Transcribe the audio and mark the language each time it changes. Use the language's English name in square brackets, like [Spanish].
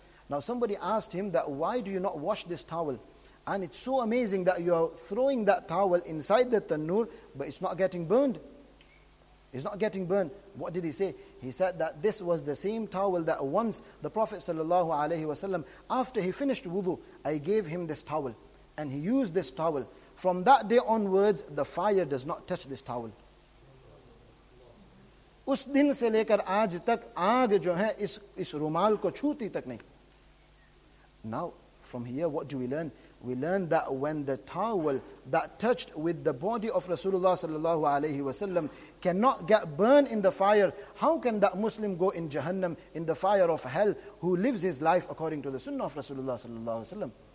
[English] Now somebody asked him that, why do you not wash this towel? And it's so amazing that you are throwing that towel inside the tannur, but it's not getting burned. It's not getting burned. What did he say? He said that this was the same towel that once the Prophet sallallahu alayhi wasallam, after he finished wudu, I gave him this towel. And he used this towel. From that day onwards, the fire does not touch this towel. [Hindi] उस दिन से लेकर आज तक आग जो है इस रुमाल को छूती तक नहीं. [English] Now, from here, what do we learn? We learn that when the towel that touched with the body of Rasulullah sallallahu alayhi wa sallam cannot get burned in the fire, how can that Muslim go in Jahannam, in the fire of hell, who lives his life according to the sunnah of Rasulullah sallallahu alayhi wa sallam?